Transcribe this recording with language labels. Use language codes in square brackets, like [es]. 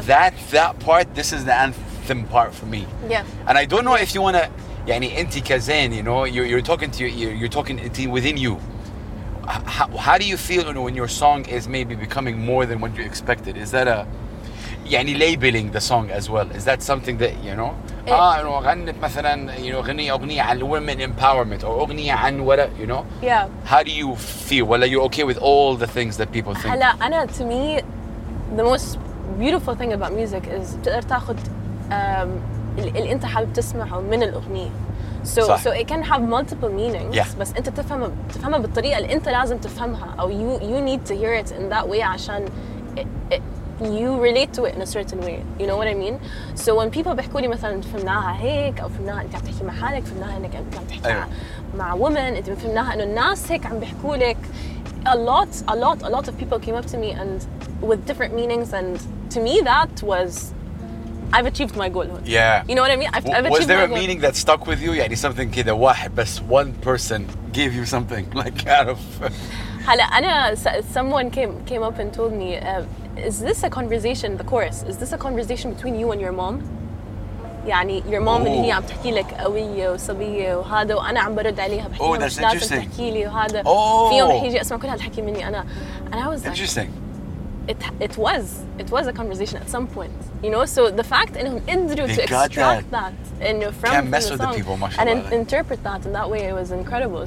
[en] That part, this is the anthem part for me. Yeah. And I don't know if you wanna. [ar] يعني أنت كزين, [en] you know, you're talking within you. How do you feel when your song is maybe becoming more than what you expected? Is that a, يعني labeling the song as well? Is that something that you know? [ar] غنت مثلاً, غني أغنية عن [en] women empowerment or [ar] أغنية عن what, [en] Yeah. How do you feel? Well, are you okay with all the things that people think? [ar] هلا أنا, [en] to me, the most beautiful thing about music is [ar] تقدر تأخذ اللي أنت حابب تسمعه من الأغنية. [en] So it can have multiple meanings. Yeah. [ar] بس أنت تفهمها بالطريقة اللي أنت لازم تفهمها, أو [en] you need to hear it in that way [ar] عشان [en] you relate to it in a certain way. You know what I mean? So when people [ar] بحكوا لي مثلاً فهمناها هيك, أو فهمناها أنت عم تحكي مع حالك, فهمناها إنك أنت عم تحكي مع women, أنت فهمناها إنه الناس هيك عم بحكوا لك. [en] A lot of people came up to me and with different meanings, and to me that was, I've achieved my goal. Yeah. You know what I mean? Was there a meaning that stuck with you? يعني something [ar] كده واحد بس [en] one person gave you something like out of. [ar] هلا أنا [en] someone came up and told me, is this a conversation? The chorus, is this a conversation between you and your mom? [ar] يعني [en] your mom [ar] اللي هي عم تحكي لك قوية وصبية وهذا, وأنا عم برد عليها بحكي لها مش لازم تحكي لي وهذا. [en] Oh. [ar] في يوم رح يجي أسمع كل هالحكي مني أنا. [en] And I was like, interesting. It was a conversation at some point, you know. So the fact that they got to extract that and from can't mess the with song the people, and interpret that in that way, it was incredible.